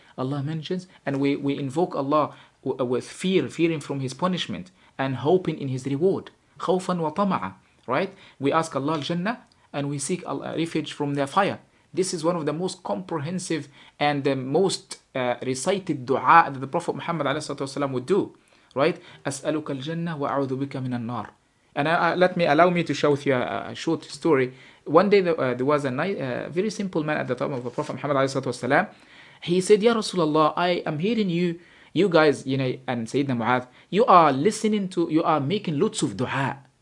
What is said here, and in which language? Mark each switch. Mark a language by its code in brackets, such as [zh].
[en] Allah mentions, and we invoke Allah with fear, fearing from His punishment, and hoping in His reward. [ar] خوفاً وطمعاً, right? [en] We ask Allah al-Jannah, and we seek refuge from the fire. This is one of the most comprehensive and the most recited dua that the Prophet Muhammad would do, right? [ar] أسألك الجنة وأعوذ بك من النار. [en] And allow me to share with you a short story. One day there was a very simple man at the time of the Prophet Muhammad ﷺ. He said, Ya Rasulullah, I am hearing you guys, you know, and Sayyidina Mu'adh, you are making lots of dua.